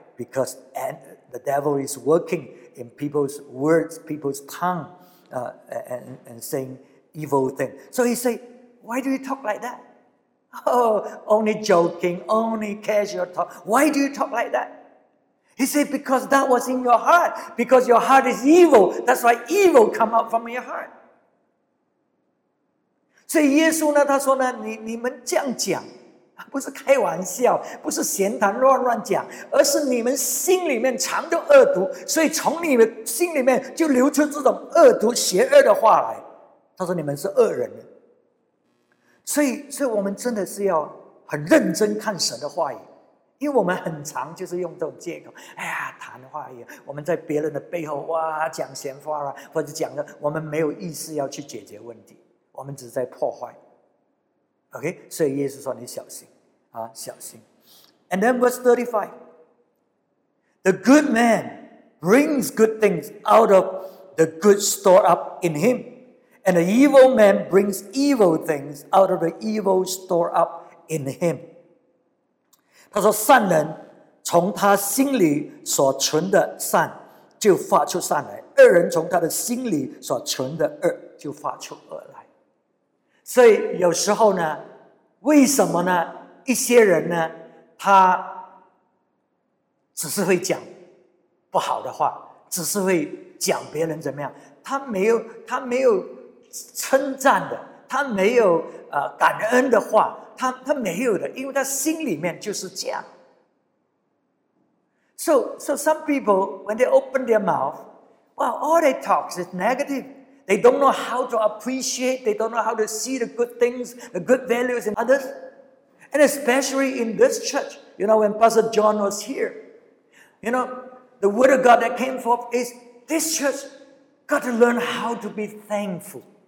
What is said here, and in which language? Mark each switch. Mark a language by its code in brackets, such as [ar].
[en] Because the devil is working in people's words, people's tongue, and saying evil things. So he say, "Why do you talk like that? Oh, only joking, only casual talk. Why do you talk like that?" He said, "Because that was in your heart. Because your heart is evil. That's why evil come out from your heart." [zh] 所以耶稣呢，他说呢，你们这样讲，不是开玩笑，不是闲谈乱讲，而是你们心里面藏着恶毒，所以从你们心里面就流出这种恶毒、邪恶的话来。他说你们是恶人。所以我们真的是要很认真看神的话语。因为我们很常就是用这种借口，哎呀，谈话也，我们在别人的背后哇讲闲话啊，或者讲的我们没有意识要去解决问题，我们只是在破坏。 OK， 所以耶稣说你小心啊，小心。 [en] And then verse 35, the good man brings good things out of the good stored up in him, and the evil man brings evil things out of the evil stored up in him. [zh] 他说善人从他心里所存的善就发出善来，恶人从他的心里所存的恶就发出恶来。所以有时候呢，为什么呢，一些人呢，他只是会讲不好的话，只是会讲别人怎么样，他没有称赞的，他没有感恩的话，他没有的，因为他心里面就是这样。 [en] So some people, when they open their mouth, well, all they talk is negative. They don't know how to appreciate, they don't know how to see the good things, the good values in others. And especially in this church, you know, when Pastor John was here, you know, the word of God that came forth is, this church got to learn how to be thankful.